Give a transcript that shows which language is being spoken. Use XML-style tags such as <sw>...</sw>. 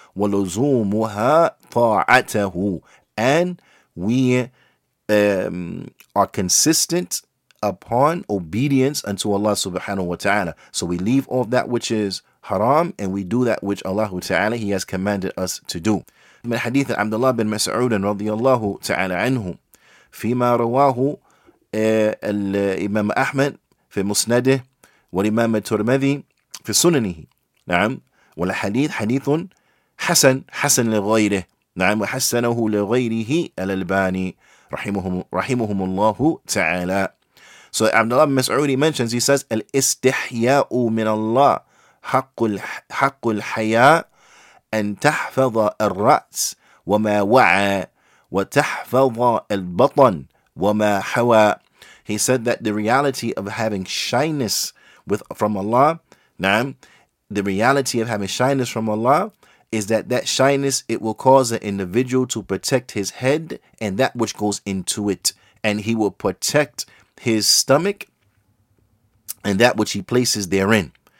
<ar>وَلُزُومُهَا طَاعَتَهُ.</ar> <en>And we are consistent upon obedience unto Allah Subhanahu Wa Ta'ala. So we leave off that which is haram, and we do that which Allah Ta'ala, He has commanded us to do.</en> <ar>من حديث عبد الله بن مسعود رضي الله تعالى عنه فيما رواه الإمام أحمد في مسنده والإمام الترمذي في سننه. نعم. والحديث حديث حسن لغيره. نعم وحسنه لغيره الألباني رحمهم الله تعالى.</ar> <en>So Abdullah bin Mas'ud mentions, he says,</en> <ar>الاستحياء من الله حق الحياء أن تحفظ الرأس وما وعى وتحفظ البطن وما حوى.</ar> <en>He said that the reality of having shyness from Allah,</en> <ar>نعم,</ar> <en>the reality of having shyness from Allah is that shyness, it will cause an individual to protect his head and that which goes into it. And he will protect his stomach and that which he places therein.</en>